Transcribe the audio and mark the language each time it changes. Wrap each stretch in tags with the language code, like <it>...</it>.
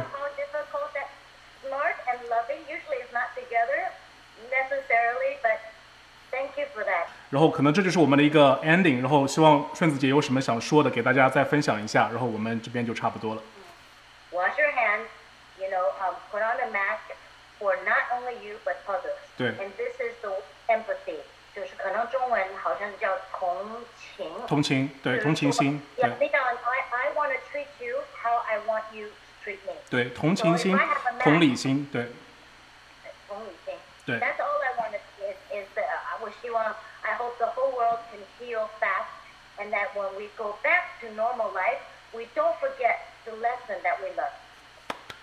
<en>You know how difficult that smart and loving usually is not together necessarily, but thank you for that.</en> <zh>然后可能这就是我们的一个 ending, 然后希望顺子姐有什么想说的给大家再分享一下，然后我们这边就差不多了。</zh> <en>Wash your hands, you know, put on a mask, for not only you but others.</en> <zh>对。</zh> <en>And this is the empathy.</en> <zh>就是可能中文好像叫同情。同情，对，同情心。对。</zh> <en>Leon, I want to treat you how I want you to treat me.</en> <zh>对，同情心，同理心，对。同理心。对。</zh> <en>That's all I want to see is that I hope the whole world can heal fast and that when we go back to normal life, we don't forget the lesson that we learned.</en>